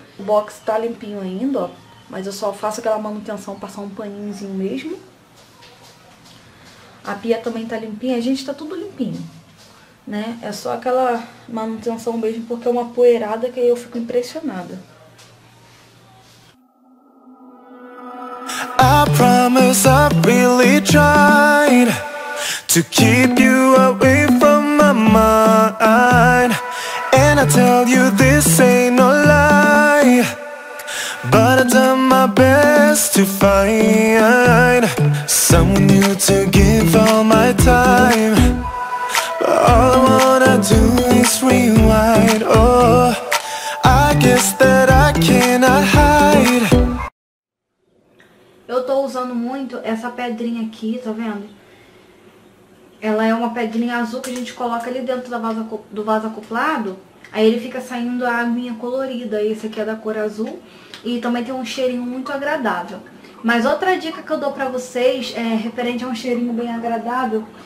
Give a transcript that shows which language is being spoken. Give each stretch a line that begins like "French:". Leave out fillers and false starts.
Portuguese: O box tá limpinho ainda, ó, mas eu só faço aquela manutenção, passar um paninhozinho mesmo. A pia também tá limpinha, a gente, tá tudo limpinho, né? É só aquela manutenção mesmo, porque é uma poeirada que eu fico impressionada.
English: I promise I really tried to keep you away from my mind. And I tell you this ain't no lie, but I done my best to find someone new to give all my time. But all I wanna do is rewind. Oh, I guess that I cannot hide.
Portuguese: Eu tô usando muito essa pedrinha aqui, tá vendo? Ela é uma pedrinha azul que a gente coloca ali dentro do vaso acoplado. Aí ele fica saindo a aguinha colorida. Esse aqui é da cor azul. E também tem um cheirinho muito agradável. Mas outra dica que eu dou pra vocês é referente a um cheirinho bem agradável.